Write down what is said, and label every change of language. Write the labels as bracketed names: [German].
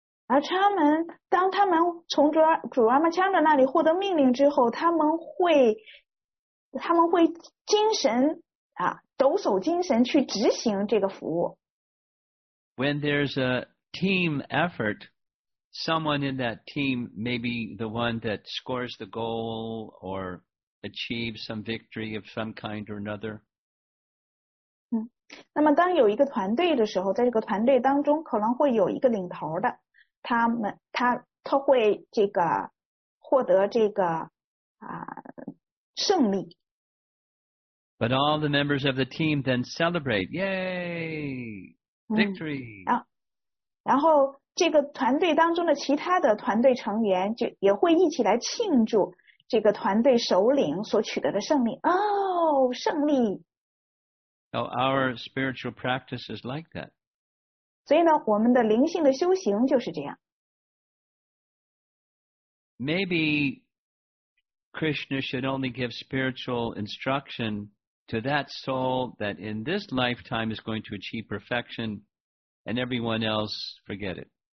[Chinese] 而他们，当他们从主 Ramachandra 那里获得命令之后，他们会精神啊，抖擞精神去执行这个服务。 [English] When there's a team effort, someone in that team may be the one that scores the goal or achieves some victory of some kind or another. [Chinese] 嗯，那么当有一个团队的时候，在这个团队当中可能会有一个领头的，他会这个获得这个啊胜利。 [English] But all the members of the team then celebrate. Yay! Victory! [Chinese] 然后这个团队当中的其他的团队成员就也会一起来庆祝这个团队首领所取得的胜利。 Oh, 胜利! [English] So our spiritual practice is like that. [Chinese] 所以呢，我们的灵性的修行就是这样。 [English] Maybe Krishna should only give spiritual instruction to that soul that in this lifetime is going to achieve perfection, and everyone else, forget it.